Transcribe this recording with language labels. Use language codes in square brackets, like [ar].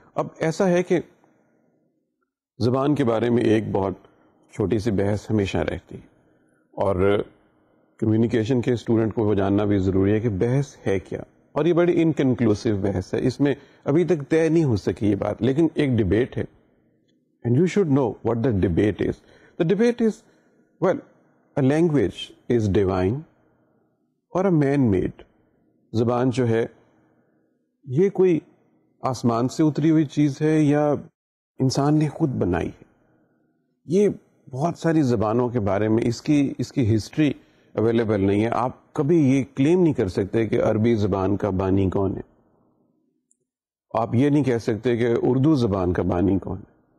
[ur] اب ایسا ہے کہ زبان کے بارے میں ایک بہت چھوٹی سی بحث ہمیشہ رہتی ہے, اور کمیونیکیشن کے اسٹوڈنٹ کو وہ جاننا بھی ضروری ہے کہ بحث ہے کیا, اور یہ بڑی انکنکلوسیو بحث ہے, اس میں ابھی تک طے نہیں ہو سکی یہ بات, لیکن ایک ڈبیٹ ہے. [en] And you should know what the debate is. The debate is, well, a language is divine or a man made. [ur] زبان جو ہے یہ کوئی آسمان سے اتری ہوئی چیز ہے یا انسان نے خود بنائی ہے. یہ بہت ساری زبانوں کے بارے میں اس کی ہسٹری اویلیبل نہیں ہے. آپ کبھی یہ کلیم نہیں کر سکتے کہ عربی زبان کا بانی کون ہے, آپ یہ نہیں کہہ سکتے کہ اردو زبان کا بانی کون ہے.